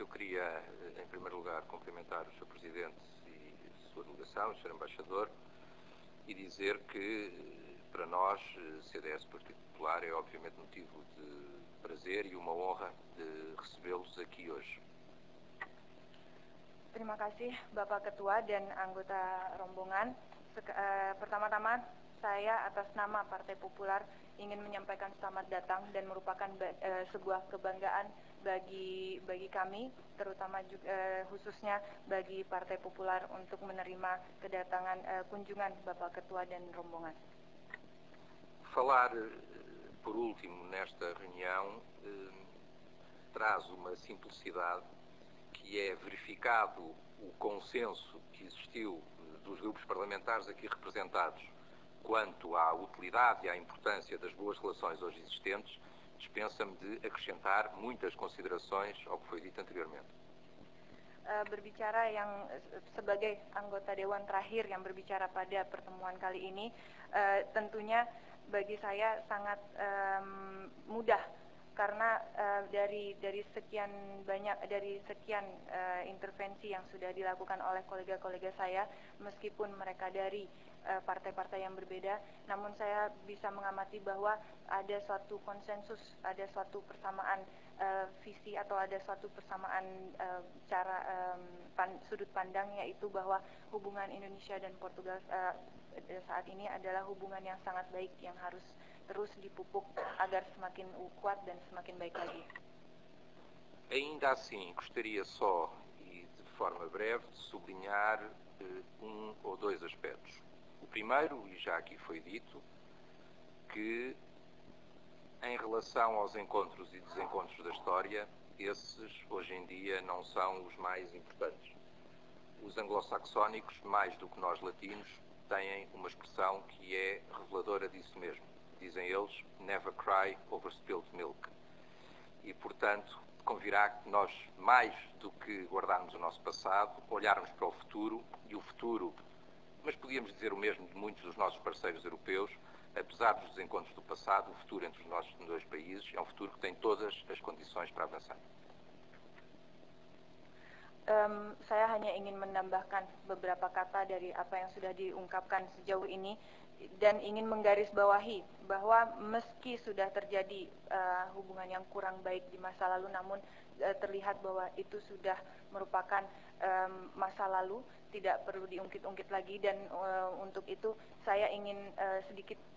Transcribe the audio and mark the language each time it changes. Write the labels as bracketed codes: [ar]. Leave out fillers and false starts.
[pt] Eu queria, em primeiro lugar, cumprimentar o Sr. Presidente e a sua delegação, o Sr. Embaixador, e dizer que, para nós, CDS Partido Popular, é obviamente motivo de prazer e uma honra de recebê-los aqui hoje. [id] Terima kasih, Bapak Ketua dan anggota rombongan. Pertama-tama, saya atas nama Partai Popular ingin menyampaikan selamat datang dan merupakan sebuah kebanggaan bagi kami, terutama juga, khususnya bagi Partai Popular untuk menerima kedatangan kunjungan Bapak Ketua dan rombongan. [pt] Falar por último nesta reunião traz uma simplicidade que é verificado o consenso que existiu dos grupos parlamentares aqui representados quanto à utilidade e à importância das boas relações hoje existentes. Dispensa-me de acrescentar muitas considerações ao que foi dito anteriormente. [id] Berbicara yang sebagai anggota dewan terakhir yang berbicara pada pertemuan kali ini, tentunya bagi saya sangat mudah karena dari sekian intervensi yang sudah dilakukan oleh kolega-kolega saya, meskipun mereka dari partai-partai yang berbeda, namun saya bisa mengamati bahwa ada suatu konsensus, ada suatu persamaan visi atau ada suatu persamaan cara sudut pandang, yaitu bahwa hubungan Indonesia dan Portugal saat ini adalah hubungan yang sangat baik yang harus terus dipupuk agar semakin kuat dan semakin baik lagi. [pt] Ainda assim, gostaria só e de forma breve de sublinhar um ou dois aspectos. O primeiro, e já aqui foi dito, que em relação aos encontros e desencontros da história, esses hoje em dia não são os mais importantes. Os anglo-saxónicos, mais do que nós latinos, têm uma expressão que é reveladora disso mesmo. Dizem eles, [en] never cry over spilled milk. [pt] E, portanto, convirá que nós, mais do que guardarmos o nosso passado, olharmos para o futuro, e o futuro, mas podíamos dizer o mesmo de muitos dos nossos parceiros europeus, apesar dos desencontros do passado, o futuro entre os nossos dois países é um futuro que tem todas as condições para avançar. [id] Saya hanya ingin menambahkan beberapa kata dari apa yang sudah diungkapkan sejauh ini dan ingin menggarisbawahi bahwa meski sudah terjadi hubungan yang kurang baik di masa lalu, namun terlihat bahwa itu sudah merupakan masa lalu, tidak perlu diungkit-ungkit lagi, dan untuk itu saya ingin sedikit